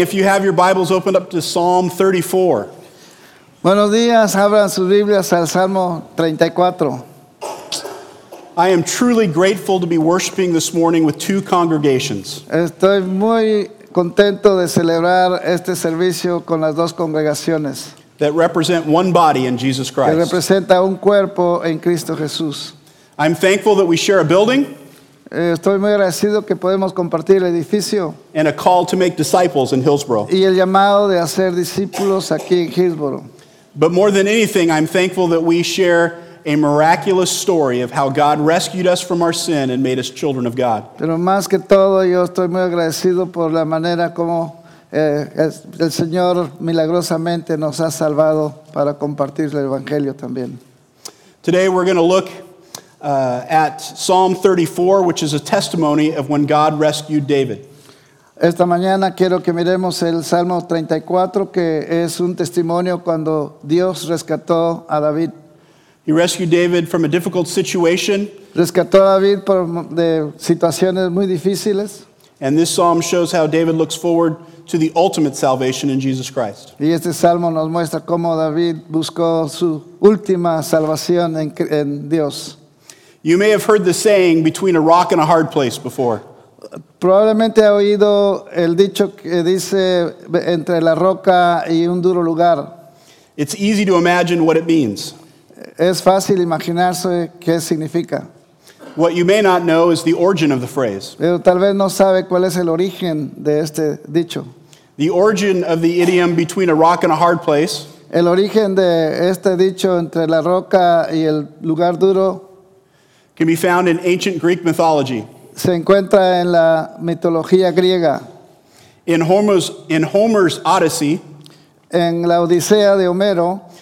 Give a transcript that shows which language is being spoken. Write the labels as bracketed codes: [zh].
[en] If you have your Bibles, open up to Psalm 34. [es] Buenos días. Abran sus Biblias al Salmo 34. [en] I am truly grateful to be worshiping this morning with two congregations. [es] Estoy muy contento de celebrar este servicio con las dos congregaciones. [en] That represent one body in Jesus Christ. [es] Que representa un cuerpo en Cristo Jesús. [en] I'm thankful that we share a building. [es] Estoy muy agradecido que podemos compartir el edificio. [en] And a call to make disciples in Hillsborough. [es] Y el llamado de hacer discípulos aquí en Hillsborough. [en] But more than anything, I'm thankful that we share a miraculous story of how God rescued us from our sin and made us children of God. [es] Pero más que todo, yo estoy muy agradecido por la manera como el Señor milagrosamente nos ha salvado para compartir el evangelio también. [en] Today we're going to look at Psalm 34, which is a testimony of when God rescued David. [es] Esta mañana quiero que miremos el Salmo 34, que es un testimonio cuando Dios rescató a David. [en] He rescued David from a difficult situation. [es] Rescató a David de situaciones muy difíciles. [en] And this psalm shows how David looks forward to the ultimate salvation in Jesus Christ. [es] Y este salmo nos muestra cómo David buscó su última salvación en Dios. [en] You may have heard the saying, between a rock and a hard place, before. [es] Probablemente ha oído el dicho que dice, entre la roca y un duro lugar. [en] It's easy to imagine what it means. [es] Es fácil imaginarse qué significa. [en] What you may not know is the origin of the phrase. [es] Pero tal vez no sabe cuál es el origen de este dicho. [en] The origin of the idiom, between a rock and a hard place. [es] El origen de este dicho, entre la roca y el lugar duro. [en] Can be found in ancient Greek mythology. [es] Se encuentra en la mitología griega. [en] In Homer's Odyssey, [es] en la Odisea de Homero,